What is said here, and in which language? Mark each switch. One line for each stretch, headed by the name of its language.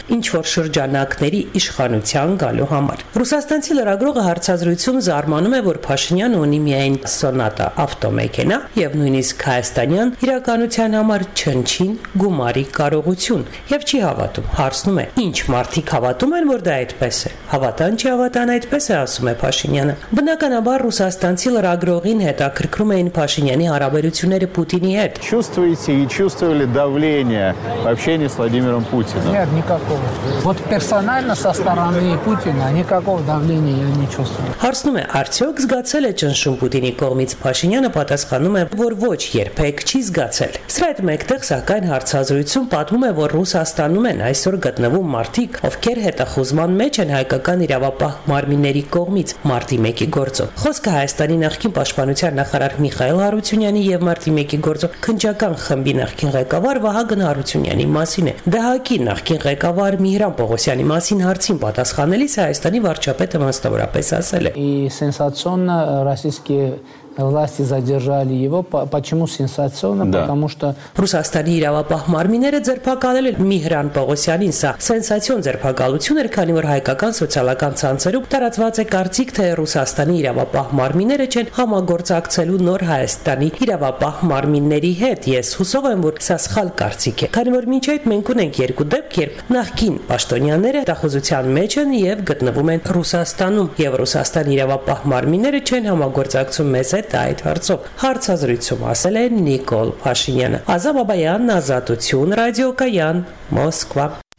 Armenian: ինչ որ շրջանակների իշխանության գալու համար։ Ռուսաստանցի լրագրողը հարցազրույցում զարմանում է, որ Փաշինյանը ունի միայն Սոնատա ավտոմեքենա եւ նույնիսկ հայաստանյան իրականության համար չնչին գումարի կարողություն, եւ չի հավատում։ Հարցնում է, ինչ մարդիկ հավատում են, որ դա այդպես է։ Հավատան չի հավատան, այդպես է ասում է Փաշինյանը։ Բնականաբար ռուսաստանցի լրագրողին հետաքրքրում էին Փաշինյանի հարաբերությունները Պուտինի հետ։
Russian: Чувствуете и чувствовали давление в общении с Владимиром Путиным? Нет, никакого. Вот персонально со стороны Путина никакого давления я не чувствую.
Armenian: Հարցնում է, արդյոք զգացել է ճնշում Պուտինի կողմից? Փաշինյանը պատասխանում է, որ ոչ, երբեք չի զգացել։ Սրայդ մեկտեղ, սակայն հարցազրույցում պատմում է, որ Ռուսաստանում են այսօր գտնվում մարդիկ, ովքեր հետախուզման մեջ են հայկական իրավապահ մարմինների կողմից մարտի 1-ի գործով։ Խոսքը Հայաստանի նախկին պաշտպանության նախարար Միխայել Հարությունյանի եւ մարտի 1-ի գործով քննչական խմբի նախկին ղեկավար Վահագն Հարությունյանի մասին է։ ԴՀԿ-ի նախկին ղեկավար Միհրան Պողոսյանի մասին հարցին պատասխանելիս Հայաստանի վարչապետը վաստավորապես ասել է.
Russian: И сенсационно российские власти задержали его. Почему сенсационно? Да. Потому что...
Armenian: Ռուսաստանի իրավապահ մարմինները ձերբակալել են Միհրան Պողոսյանին, սա սենսացիոն ձերբակալություն էր, քանի որ հայկական սոցիալական ցանցերում տարածված է կարծիք, թե Ռուսաստանի իրավապահ մարմինները չեն համագործակցելու նոր Հայաստանի իրավապահ մարմինների հետ։ Ես հուսով եմ, որ սա սխալ կարծիք է, քանի որ մինչ այդ մենք ունենք երկու դեպք, երբ նախկին պաշտոնյաները հետախուզության մեջ են և գտնվում են Ռուսաստանում, և Ռուսաստանի իրավապահ մարմինները չեն համագործակցում այդ հարցով։ Հարցազրույցում ասել է Նիկոլ Փաշինյանը։ Ազատ Բաբայան, Ազատություն, Ռադիո Կայան, Մոսկվա։